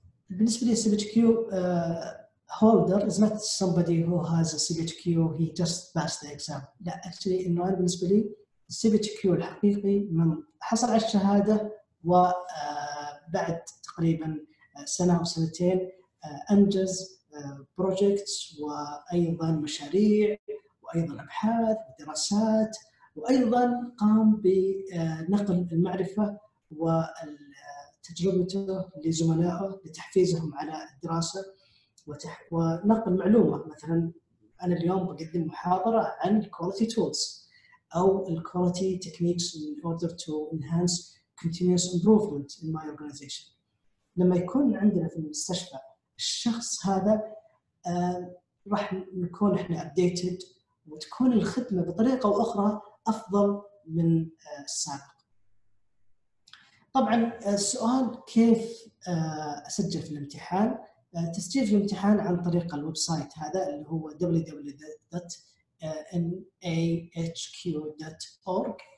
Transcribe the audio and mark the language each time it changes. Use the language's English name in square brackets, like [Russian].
[Arabic] بالنسبة لي [English] CPHQ holder is not somebody who has a CPHQ, he just passed the exam. [Arabic] لا، actually إنه أنا بالنسبة لي CPHQ الحقيقي من حصل على الشهادة وبعد تقريبا سنة أو سنتين أنجز projects وأيضا مشاريع وأيضا أبحاث ودراسات، وأيضا قام بنقل المعرفة وتجربته لزملائه لتحفيزهم على الدراسة ونقل معلومة. مثلا أنا اليوم بقدم محاضرة عن [English] quality tools أو quality techniques in order to enhance continuous improvement in my organization. [Arabic] لما يكون عندنا في المستشفى الشخص هذا راح نكون احنا updated وتكون الخدمة بطريقة أو أخرى أفضل من السابق. طبعاً السؤال كيف أسجل في الامتحان؟ تسجيل في الامتحان عن طريق الويب سايت هذا اللي هو www.nahq.org.